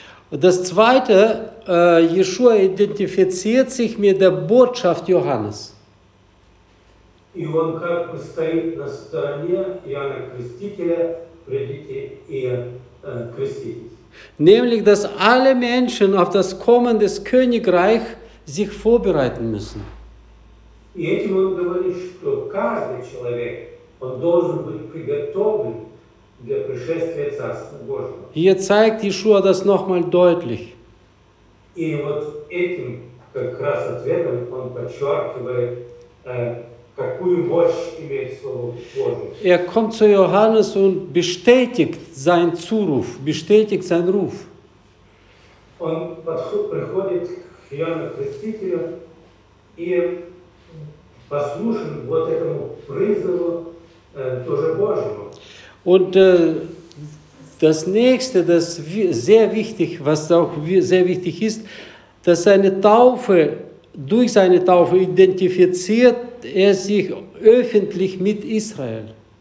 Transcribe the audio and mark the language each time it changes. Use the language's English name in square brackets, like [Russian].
[German] Das zweite, Jeschua identifiziert sich mit der Botschaft Johannes. [Russian] И он как бы стоит на стороне Иоанна Крестителя, придите и креститесь. [German] Nämlich, dass alle Menschen auf das Kommen des Königreichs sich vorbereiten müssen. [Russian] И этим он говорит, что каждый человек, он должен быть приготовлен для пришествия Царства Божьего. [German] Hier zeigt Yeshua das nochmal deutlich. [Russian] И вот этим как раз ответом он подчеркивает, какую мощь имеет Слово Божие. [German] Er kommt zu Johannes und bestätigt seinen Zuruf, bestätigt seinen Ruf. [Russian] Он приходит к Иоанну Крестителю и послушен вот этому призыву тоже Божьему. [German] Und das Nächste, das sehr wichtig, was auch sehr wichtig ist, dass seine Taufe, durch seine Taufe identifiziert er sich öffentlich mit Israel.